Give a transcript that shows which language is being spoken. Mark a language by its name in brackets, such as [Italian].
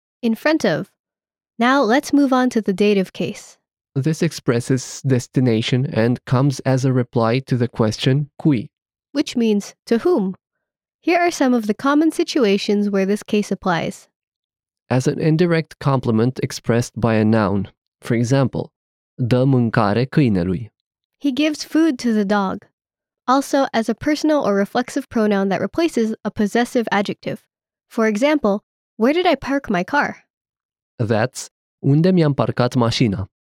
[English] In front of. Now let's move on to the dative case. This expresses destination and comes as a reply to the question cui. Which means, to whom? Here are some of the common situations where this case applies. As an indirect complement expressed by a noun. For example, [Romanian] dă mâncare câinelui. [English] He gives food to the dog. Also, as a personal or reflexive pronoun that replaces a possessive adjective. For example, where did I park my car? That's [Romanian] unde mi-am parcat mașina.